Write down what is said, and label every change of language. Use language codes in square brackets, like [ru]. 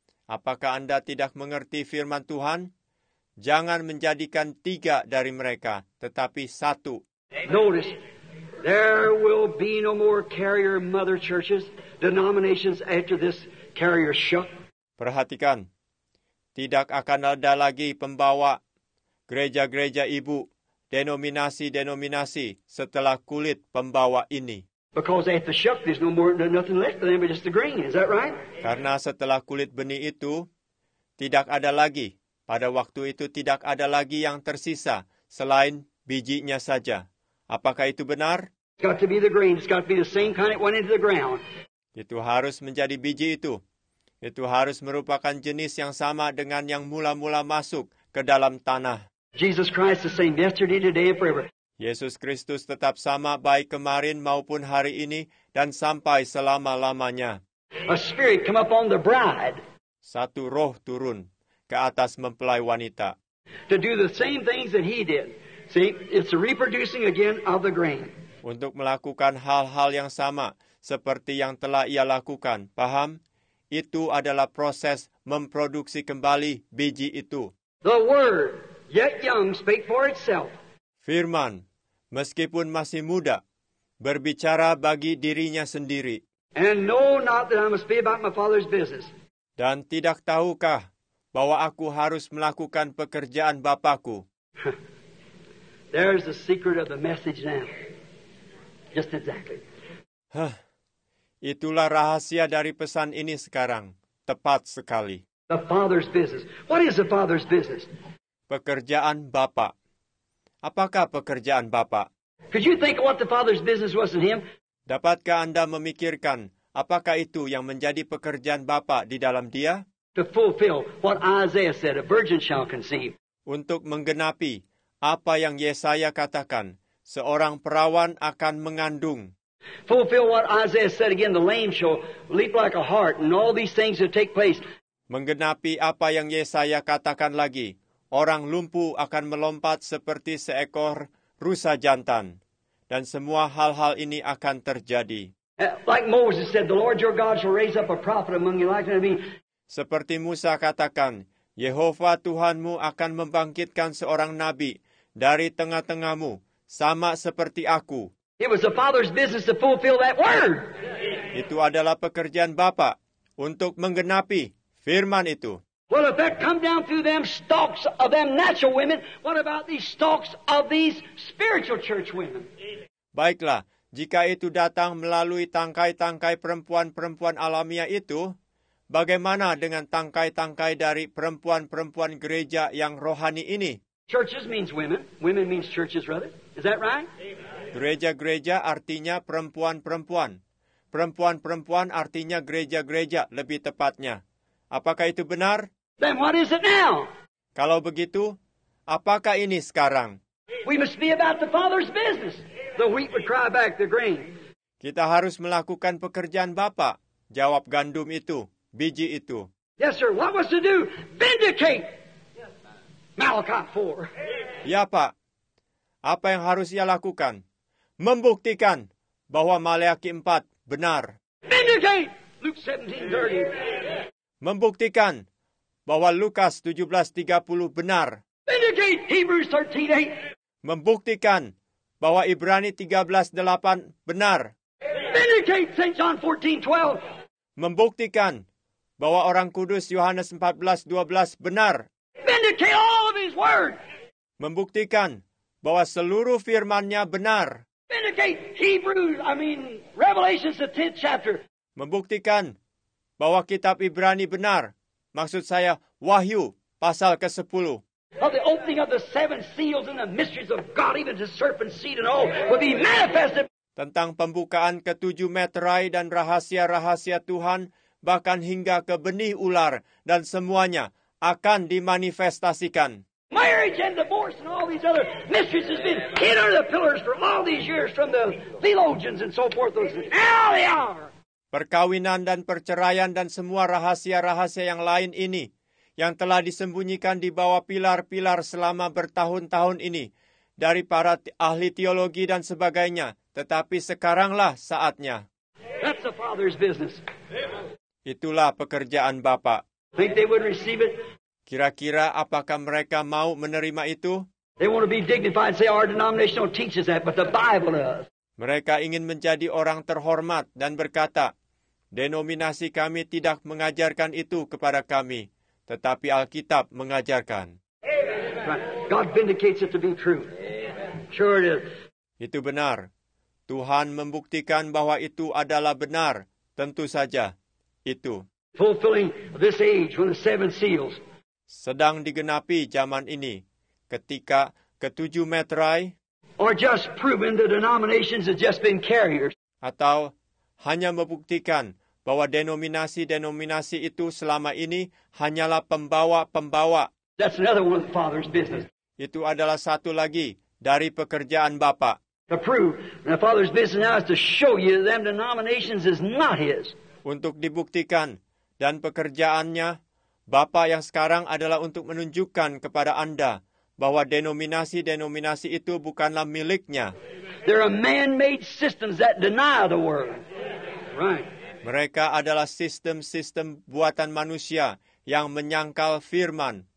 [id] Apakah Anda tidak mengerti firman Tuhan? Jangan menjadikan tiga dari mereka, tetapi satu. [en] Notice, there will be no more carrier mother churches, denominations after this carrier shock. [id] Perhatikan, tidak akan ada lagi pembawa gereja-gereja ibu, denominasi-denominasi setelah kulit pembawa ini. [en] Because after the shock, there's no more nothing left for them but just the grain. Is that right? [id] Karena setelah kulit benih itu, tidak ada lagi. Pada waktu itu tidak ada lagi yang tersisa selain bijinya saja. Apakah itu benar? [en] It's got to be the grain. It's got to be the same kind that went into the ground. [id] Itu harus menjadi biji itu. Itu harus merupakan jenis yang sama dengan yang mula-mula masuk ke dalam tanah. [en] Jesus Christ the same yesterday, today, and forever. [id] Yesus Kristus tetap sama baik kemarin maupun hari ini dan sampai selama-lamanya. [en] A spirit come up on the bride. [id] Satu roh turun ke atas mempelai wanita. [en] To do the same things that he did. See, it's reproducing again of the grain. [id] Untuk melakukan hal-hal yang sama seperti yang telah ia lakukan, paham? Itu adalah proses memproduksi kembali biji itu. [en] The word, yet young, spake for itself. [id] Firman, meskipun masih muda, berbicara bagi dirinya sendiri. [en] And know not that I must be about my father's business. [id] Dan tidak tahukah bahwa aku harus melakukan pekerjaan Bapakku? [en] There's the secret of the message now. Just exactly. [id] Itulah rahasia dari pesan ini sekarang. Tepat sekali. [en] The father's business. What is the father's business? [id] Pekerjaan Bapak. Apakah pekerjaan Bapak? [en] Could you think what the father's business was in him? [id] Dapatkah Anda memikirkan apakah itu yang menjadi pekerjaan Bapak di dalam dia? [en] To fulfill what Isaiah said, a virgin shall conceive. [id] Untuk menggenapi apa yang Yesaya katakan, seorang perawan akan mengandung. [en] Fulfill what Isaiah said again, the lame shall leap like a hart, and all these things will take place. [id] Menggenapi apa yang Yesaya katakan lagi, orang lumpuh akan melompat seperti seekor rusa jantan, dan semua hal-hal ini akan terjadi. [en] Like Moses said, the Lord your God shall raise up a prophet among you like me. [id] Seperti Musa katakan, Yehova Tuhanmu akan membangkitkan seorang nabi dari tengah-tengahmu, sama seperti aku. [en] It was the Father's business to fulfill that word. [id] Itu adalah pekerjaan Bapa untuk menggenapi firman itu. [en] Well, if that come down through them stalks of them natural women, what about these stalks of these spiritual church women? [id] Baiklah, jika itu datang melalui tangkai-tangkai perempuan-perempuan alamiah itu, bagaimana dengan tangkai-tangkai dari perempuan-perempuan gereja yang rohani ini? [en] Churches means women. Women means churches, rather. Is that right? [id] Gereja-gereja artinya perempuan-perempuan. Perempuan-perempuan artinya gereja-gereja lebih tepatnya. Apakah itu benar? [en] Then what is it now? [id] Kalau begitu, apakah ini sekarang? [en] We must be about the Father's business. The wheat would cry back the grain. [id] Kita harus melakukan pekerjaan Bapa, jawab gandum itu, biji itu. [en] Yes, sir. What was to do? Vindicate Malachi 4. [id] Ya, Pak. Apa yang harus ia lakukan? Membuktikan bahwa Malaki 4 benar. [en] Vindicate Luke 17:30. [id] Membuktikan bahwa Lukas 17:30 benar. [en] Vindicate Hebrews 13:8. [id] Membuktikan bahwa Ibrani 13:8 benar. [en] Vindicate St. John 14:12. [id] Membuktikan bahwa orang kudus Yohanes 14:12 benar. [en] Vindicate all of his word. [id] Membuktikan bahwa seluruh firman-Nya benar. [en] Vindicate Revelation 10th chapter. [id] Membuktikan bahwa kitab Ibrani benar. Maksud saya Wahyu pasal ke-10. [en] Of the opening of the seven seals and the mysteries of God, even to serpent seed and all, will be manifested. [id] Tentang pembukaan ketujuh meterai dan rahasia-rahasia Tuhan, bahkan hingga ke benih ular dan semuanya akan dimanifestasikan. [en] Marriage and divorce and all these other mysteries has been hidden under the pillars for all these years from the theologians and so forth. Now they are. [id] Perkawinan dan perceraian dan semua rahasia-rahasia yang lain ini, yang telah disembunyikan di bawah pilar-pilar selama bertahun-tahun ini dari para ahli teologi dan sebagainya. Tetapi sekaranglah saatnya. [en] That's the Father's business. [id] Itulah pekerjaan Bapa. [en] Think they would receive it? [id] Kira-kira apakah mereka mau menerima itu? [en] They want to be dignified and say our denomination teaches that, but the Bible does. [id] Mereka ingin menjadi orang terhormat dan berkata, denominasi kami tidak mengajarkan itu kepada kami. Tetapi Alkitab mengajarkan. [en] God vindicates it to be true. Sure it is. [id] Itu benar. Tuhan membuktikan bahwa itu adalah benar. Tentu saja, itu. [en] Fulfilling this age when the seven seals. [id] Sedang digenapi zaman ini, ketika ketujuh meterai. [en] Or just proving the denominations have just been carriers. [id] Atau hanya membuktikan bahwa denominasi-denominasi itu selama ini hanyalah pembawa-pembawa. [en] That's another one of the Father's business. [id] Itu adalah satu lagi dari pekerjaan Bapa. [en] To prove the Father's business now is to show you them denominations is not his. [id] Untuk dibuktikan dan pekerjaannya Bapa yang sekarang adalah untuk menunjukkan kepada Anda bahwa denominasi-denominasi itu bukanlah miliknya. [en] There are man-made systems that deny the word. Right. [id] Mereka adalah sistem-sistem buatan manusia yang menyangkal firman.